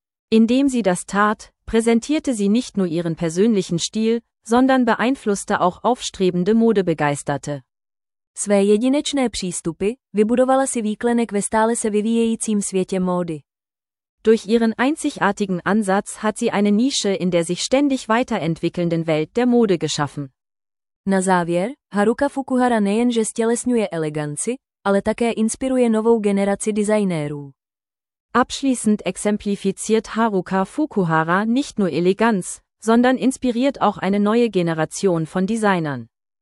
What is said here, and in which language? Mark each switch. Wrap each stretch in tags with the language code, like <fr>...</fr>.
<de>Indem sie das tat, präsentierte sie nicht nur ihren persönlichen Stil, sondern beeinflusste auch aufstrebende Modebegeisterte.</de> <cs>Své jedinečné přístupy vybudovala si výklenek ve stále se vyvíjejícím světě módy.</cs> <de>Durch ihren einzigartigen Ansatz hat sie eine Nische in der sich ständig weiterentwickelnden Welt der Mode geschaffen.</de> <cs>Na závěr, Haruka Fukuhara nejenže stělesňuje eleganci, ale také inspiruje novou generaci designérů.</cs> <de>Abschließend exemplifiziert Haruka Fukuhara nicht nur Eleganz, sondern inspiriert auch eine neue Generation von Designern.</de>